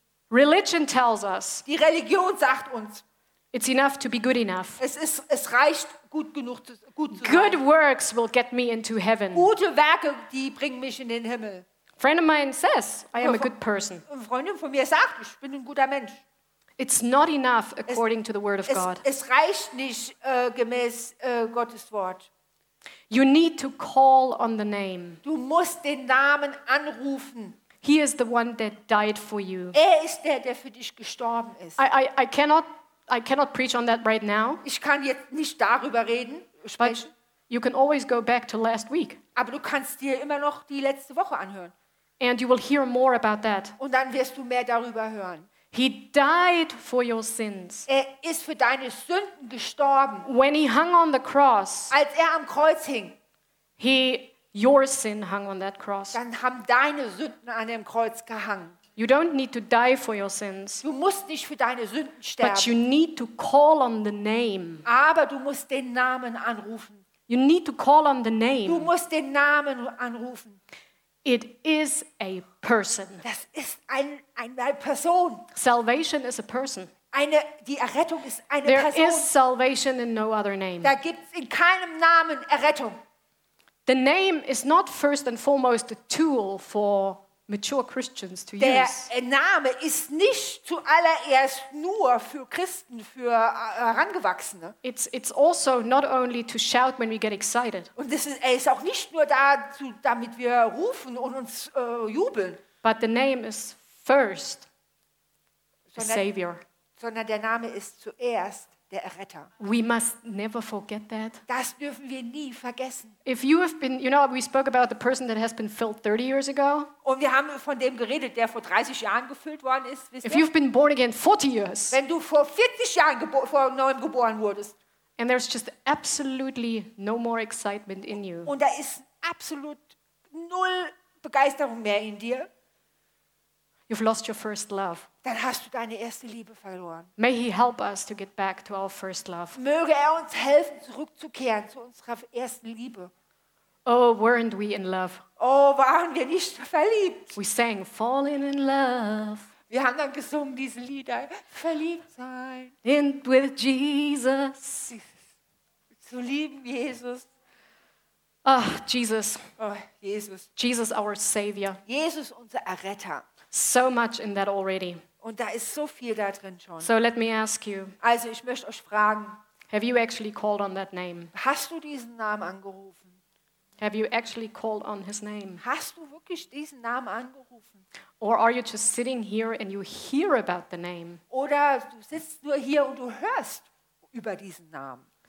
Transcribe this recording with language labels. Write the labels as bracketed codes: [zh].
[en] Religion tells us. [de] Die Religion sagt uns. [en] It's enough to be good enough. [de] Es reicht gut genug zu gut sein. [en] Good works will get me into heaven. [de] Gute Werke, die bringen mich in den Himmel. [en] Friend of mine says, I am a good person. [de] Eine Freundin von mir sagt, ich bin ein guter Mensch. [en] It's not enough according to the word of God. [de] Es reicht nicht gemäß Gottes Wort. [en] You need to call on the name. [de] Du musst den Namen anrufen. [en] He is the one that died for you. [de] Er ist der, der für dich gestorben ist. [en] I cannot preach on that right now. [de] Ich kann jetzt nicht darüber reden. Sprechen. [en] You can always go back to last week. [de] Aber du kannst dir immer noch die letzte Woche anhören. [en] And you will hear more about that. [de] Und dann wirst du mehr darüber hören. [en] He died for your sins. [de] Er ist für deine Sünden gestorben. [en] When he hung on the cross. [de] Als er am Kreuz hing. [en] Your sin hung on that cross. [de] Dann haben deine Sünden an dem Kreuz gehangen. [en] You don't need to die for your sins. [de] Du musst nicht für deine Sünden sterben. [en] But you need to call on the name. [de] Aber du musst den Namen anrufen. [en] You need to call on the name. [de] Du musst den Namen anrufen. [en] It is a person. [de] Das ist eine Person. [en] Salvation is a person. [de] Die Errettung ist eine [en] There [de] Person. [en] There is salvation in no other name. [de] Da gibt's in keinem Namen Errettung. [en] The name is not first and foremost a tool for mature Christians to use. [de] Der Name ist nicht zuallererst nur für Christen, für Herangewachsene. [en] It's also not only to shout when we get excited. [de] Und es ist auch nicht nur damit wir rufen und uns jubeln. [en] But the name is first the Savior. [de] Sondern der Name ist zuerst der Erretter. [en] We must never forget that. [de] Das dürfen wir nie vergessen. [en] If you have been, you know, we spoke about the person that has been filled 30 years ago. [de] Und wir haben von dem geredet, der vor 30 Jahren gefüllt worden ist. Wisst [en] If you've been born again 40 years. [de] Wenn du vor 40 Jahren vor neuem geboren wurdest. [en] And there's just absolutely no more excitement in you. [de] Und da ist absolut null Begeisterung mehr in dir. [en] You've lost your first love. [de] Dann hast du deine erste Liebe verloren. [en] May he help us to get back to our first love. [de] Möge er uns helfen, zurückzukehren zu unserer ersten Liebe. [en] Oh, weren't we in love? [de] Oh, waren wir nicht verliebt? [en] We sang falling in love. [de] Wir haben dann gesungen diese Lieder. Verliebt sein. [en] In with Jesus. [de] Zu lieben Jesus. Ach, oh, Jesus. [en] Oh, Jesus. Jesus, our Savior. [de] Jesus, unser Erretter. [en] So much in that already. [de] Und da ist so viel da drin schon. [en] So let me ask you. [de] Also ich möchte euch fragen. [en] Have you actually called on that name? [de] Hast du diesen Namen angerufen? [en] Have you actually called on his name? [de] Hast du wirklich diesen Namen angerufen? [en] Or are you just sitting here and you hear about the name? [de] Oder du sitzt nur hier und du hörst über diesen Namen.